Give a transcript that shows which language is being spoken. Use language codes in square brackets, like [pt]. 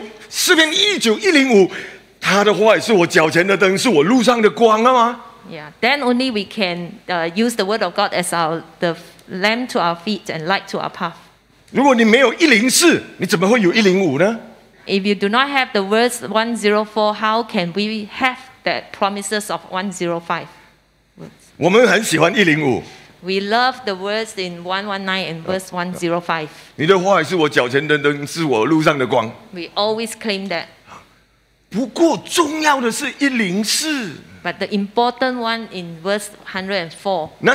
[en] Psalm 119:4。 [zh] 啊，就是刚才的诗篇1104，然后有了诗篇1904，我们才能够有诗篇1905。他的话也是我脚前的灯，是我路上的光，好吗？ [en] Yeah, then only we can use the word of God as our the lamp to our feet and light to our path. [zh] 如果你没有104，你怎么会有105呢？ [en] If you do not have the words 104, how can we have that promises of 105? [zh] 我们很喜欢105。 [en] We love the words in 119 and verse 105. [zh] 你的话也是我脚前的灯，是我路上的光。 [en] We always claim that. [zh] 不过重要的是104 [en] But the important one in verse 104